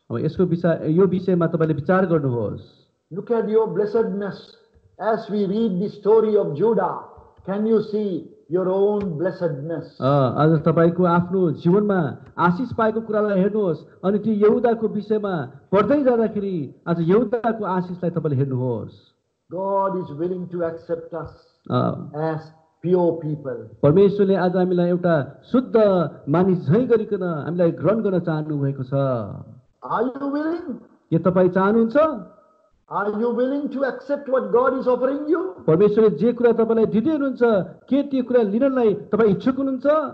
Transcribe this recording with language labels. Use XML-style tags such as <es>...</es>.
<ne>अब यसको विचार यो विषयमा तपाईँले विचार गर्नुहोस्.</ne> <en>Look at your blessedness as we read the story of Judah. Can you see your own blessedness?</en> <ne>आज तपाईँको आफ्नो जीवनमा आशिष पाएको कुरालाई हेर्नुहोस् अनि त्यो यहुदाको विषयमा पढ्दै जाँदाखेरि आज यहुदाको आशिषलाई तपाईँले हेर्नुहोस्.</ne> <en>God is willing to accept us as pure people.</en> <ne>परमेश्वरले आज हामीलाई एउटा शुद्ध मानिस झै गरिकन हामीलाई ग्रहण गर्न चाहनु भएको छ.</ne> <en>Are you willing?</en> <ne>के तपाई चाहनुहुन्छ?</ne> <en>Are you willing to accept what God is offering you?</en> <ne>परमेश्वरले जे कुरा तपाईलाई दिदिनुहुन्छ के त्यो कुरा लिनलाई तपाई इच्छुक हुनुहुन्छ?</ne>